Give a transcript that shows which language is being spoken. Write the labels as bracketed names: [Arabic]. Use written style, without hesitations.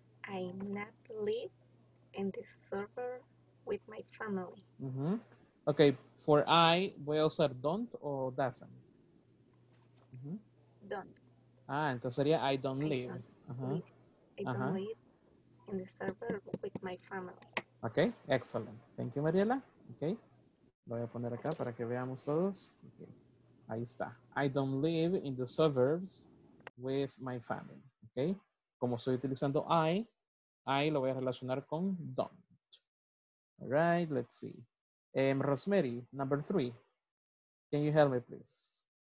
[English] I not live in the server with my family. Mm-hmm. [Spanish] Okay, [English] for I, [Spanish] voy a usar [English] don't or doesn't? Mm-hmm. Don't. [Spanish] Ah, entonces sería [English] I don't live. I don't live in the server with my family. Okay, excellent. Thank you, Mariela. [Spanish] Okay, lo voy a poner acá para que veamos todos. Okay. Ahí está. [English] I don't live in the suburbs with my family. [Spanish] Okay, como estoy utilizando I lo voy a relacionar con don't. [English] All right, let's see. Rosemary, number three. Can you help me, please?